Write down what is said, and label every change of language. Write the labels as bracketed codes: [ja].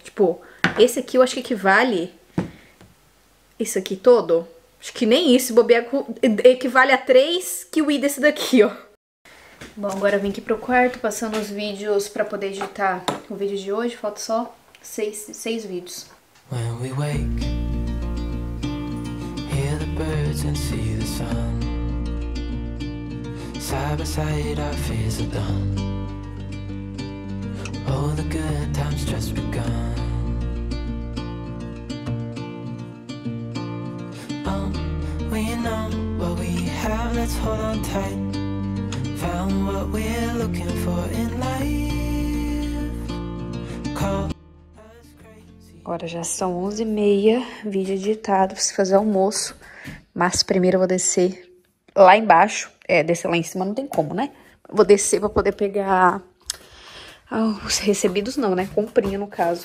[pt] Tipo, esse aqui eu acho que equivale... Isso aqui todo... Acho que nem isso, bobear, equivale a 3 kiwi desse daqui, ó. Bom, agora eu vim aqui pro quarto, passando os vídeos pra poder editar o vídeo de hoje. Falta só 6 vídeos. [en] When we wake, hear the birds and see the sun. Side by side, our fears are done. All the good times just begun. We know what we have, let's hold on tight. Found what we're looking for in life. Call. [pt] Agora já são 11h30, vídeo editado, preciso fazer almoço. Mas primeiro eu vou descer lá embaixo. É, descer lá em cima não tem como, né? Vou descer pra poder pegar os recebidos não, né? Comprinha, no caso.